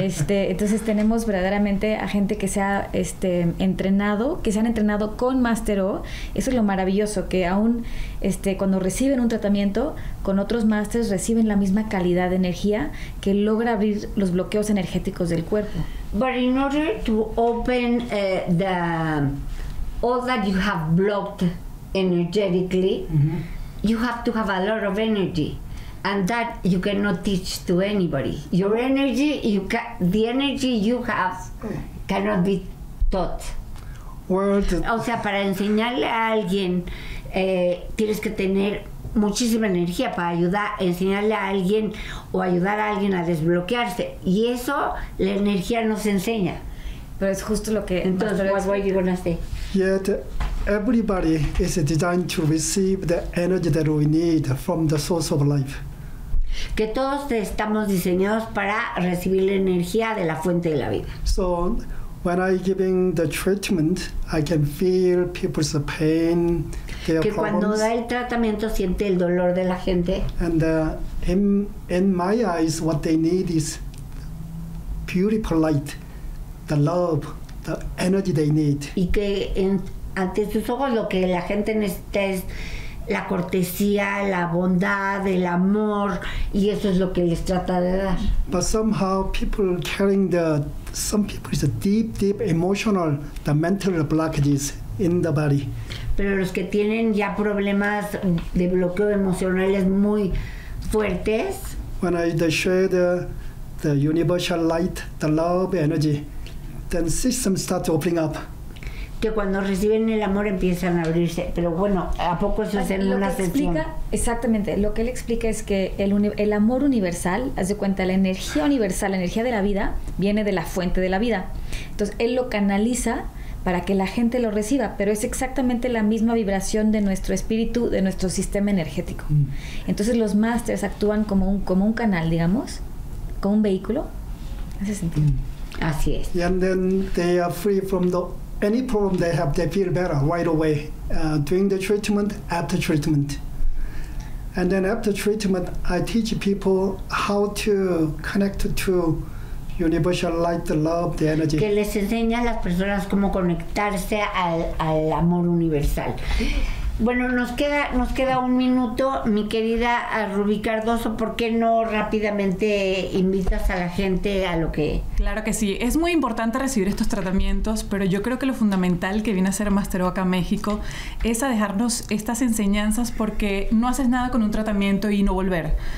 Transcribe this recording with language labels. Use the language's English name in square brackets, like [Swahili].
[Spanish] Entonces tenemos verdaderamente a gente que se ha entrenado, que se han entrenado con Master O. Eso es lo maravilloso, que aún cuando reciben un tratamiento con otros másters, reciben la misma calidad de energía que logra abrir los bloqueos energéticos del cuerpo. [English] But in order to open the... all that you have blocked energetically, you have to have a lot of energy, and that you cannot teach to anybody. Your energy, the energy you have cannot be taught. [Spanish] O sea, para enseñarle a alguien, tienes que tener muchísima energía para ayudar, enseñarle a alguien o ayudar a alguien a desbloquearse. Y eso, la energía nos enseña. Pero es justo lo que... [English] Entonces, what were you going to say? Yet everybody is designed to receive the energy that we need from the source of life. [Spanish] Que todos estamos diseñados para recibir la energía de la fuente de la vida. [English] So when I giving the treatment, I can feel people's pain, their problems. [Spanish] Que cuando da el tratamiento siente el dolor de la gente. [English] And in my eyes, what they need is beautiful light, the love. The energy they need. [Spanish] Y que ante sus ojos lo que la gente necesita es la cortesía, la bondad, el amor, y eso es lo que les trata de dar. [English] But somehow people carrying some people is a deep, deep emotional, the mental blockages in the body. [Spanish] Pero los que tienen ya problemas de bloqueo emocionales muy fuertes. [English] When I share the universal light, the love energy, then systems start opening up. [Spanish] Que cuando reciben el amor empiezan a abrirse. Pero bueno, ¿a poco eso es en una sesión? Exactamente. Lo que él explica es que el amor universal, haz de cuenta, la energía universal, la energía de la vida, viene de la fuente de la vida. Entonces, él lo canaliza para que la gente lo reciba, pero es exactamente la misma vibración de nuestro espíritu, de nuestro sistema energético. Entonces, los masters actúan como un canal, digamos, como un vehículo. ¿Hace sentido? Así es. [English] And then they are free from any problem they have, they feel better right away, during the treatment, after treatment. And then after treatment, I teach people how to connect to universal light, the love, the energy. [Spanish] Que les enseña a las personas cómo conectarse al amor universal. Bueno, nos queda un minuto, mi querida Rubí Cardoso, ¿por qué no rápidamente invitas a la gente a lo que...? Claro que sí, es muy importante recibir estos tratamientos, pero yo creo que lo fundamental que viene a ser Master O acá en México es a dejarnos estas enseñanzas, porque no haces nada con un tratamiento y no volver.